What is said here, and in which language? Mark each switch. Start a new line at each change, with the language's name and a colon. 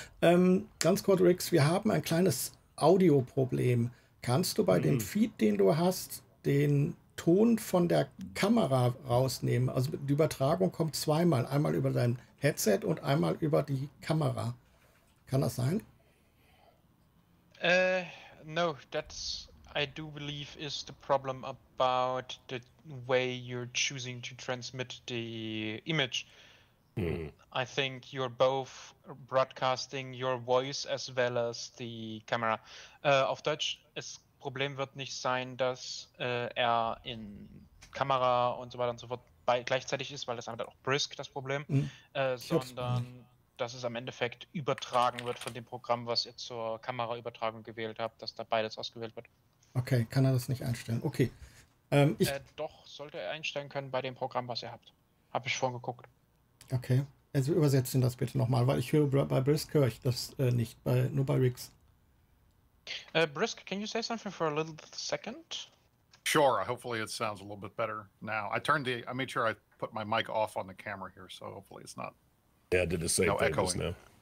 German: Ganz kurz, Rix, wir haben ein kleines Audioproblem. Kannst du bei dem Feed, den du hast, den Ton von der Kamera rausnehmen. Also die Übertragung kommt zweimal. Einmal über dein Headset und einmal über die Kamera. Kann das sein?
English: No, that's, I do believe, is the problem about the way you're choosing to transmit the image. I think you're both broadcasting your voice as well as the camera.
German: Auf Deutsch, das Problem wird nicht sein, dass er in Kamera und so weiter und so fort gleichzeitig ist, weil das einfach auch brisk das Problem, sondern dass es am Endeffekt übertragen wird von dem Programm, was ihr zur Kameraübertragung gewählt habt, dass da beides ausgewählt wird. Okay, kann er das nicht einstellen? Okay. Doch, sollte er einstellen können bei dem Programm, was ihr habt. Habe ich vorhin geguckt. Okay, also übersetzt ihn das bitte nochmal, weil ich höre bei Brisk höre ich das nicht, nur bei Riggs.
English: Brisk, can you say something for a little second? Sure, hopefully it sounds a little bit better now. I made sure I put my mic off on the camera here, so hopefully it's not. Yeah, I did the same thing just now.